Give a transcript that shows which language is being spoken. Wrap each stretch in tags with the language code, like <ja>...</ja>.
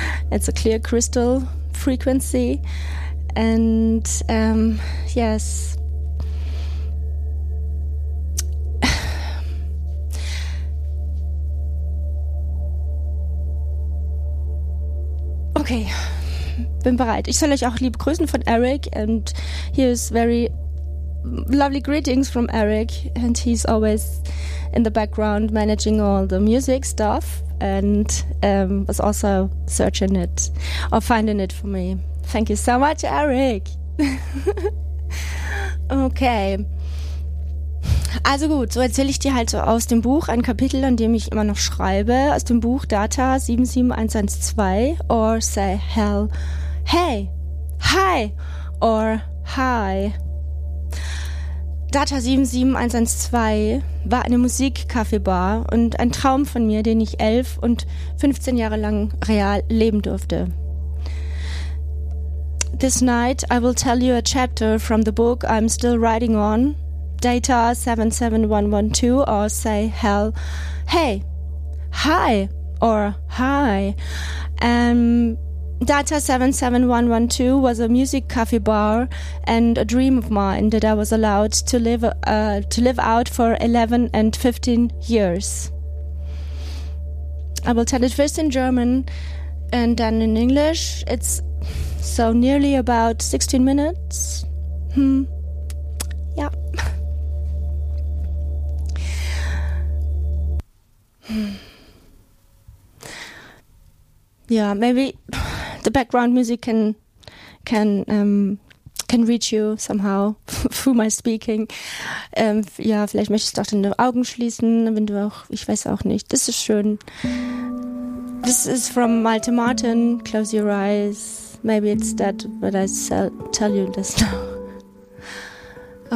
<en>It's a clear crystal frequency. And yes.</en> <de>Okay. Bin bereit. Ich soll euch auch liebe grüßen von Eric.</de> <en>And here's very lovely greetings from Eric. And he's always in the background managing all the music stuff and was also searching it or finding it for me. Thank you so much, Eric. Okay.</en> <de>Also gut, so erzähle ich dir halt so aus dem Buch ein Kapitel, an dem ich immer noch schreibe, aus dem Buch Data 77112 or say hell, hey, hi or hi. Data 77112 war eine Musikcafébar und ein Traum von mir, den ich 11 und 15 Jahre lang real leben durfte.</de> <en>This night I will tell you a chapter from the book I'm still writing on, Data 77112, or say hell, hey, hi, or hi. Data 77112 was a music cafe bar and a dream of mine that I was allowed to live out for 11 and 15 years. I will tell it first in German and then in English. It's so nearly about 16 minutes. Yeah. Yeah, maybe the background music can reach you somehow through my speaking.</en> <de>Ja, vielleicht möchtest du auch deine Augen schließen, wenn du auch, ich weiß auch nicht. Das ist schön.</de> <en>This is from Malte Martin, Close Your Eyes. Maybe it's that, but I tell you this now.</en>